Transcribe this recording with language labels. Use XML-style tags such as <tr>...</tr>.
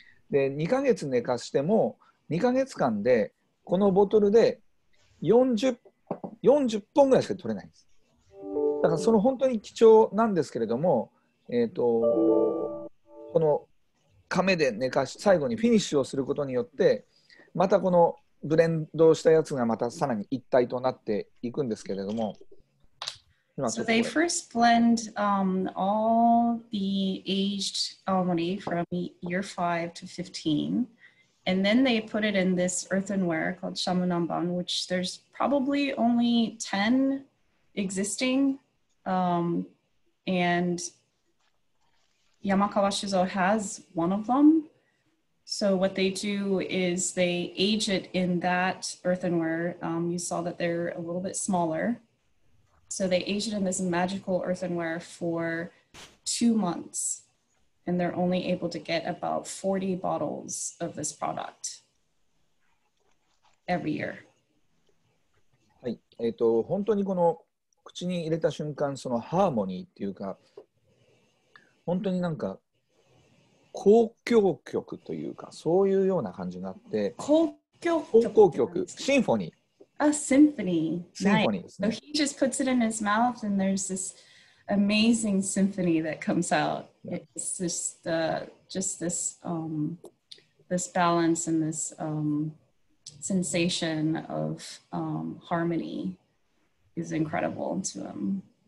<ja>で、2ヶ月寝かしても2ヶ月間でこのボトルで40本ぐらいしか取れないんです。だからその本当に貴重なんですけれども、この亀で寝かし最後にフィニッシュをすることによってまたこのブレンドしたやつがまたさらに一体となっていくんですけれども。</ja> <en>So they first blend all the aged almoni from year 5 to 15, and then they put it in this earthenware called shamunamban, which there's probably only 10 existing, and Yamakawa Shizuo has one of them. So what they do is they age it in that earthenware. You saw that they're a little bit smaller. So they age it in this magical earthenware for 2 months, and they're only able to get about 40 bottles of this product every year.</en> <ja>はい、本当にこの口に入れた瞬間、そのハーモニーっていうか、本当になんか交響曲というか、そういうような感じがあって、交響曲、シンフォニー。</ja> <en>A symphony. Symphony, right. So he just puts it in his mouth and there's this amazing symphony that comes out. It's just this, this balance and this sensation of harmony is incredible to him.</en>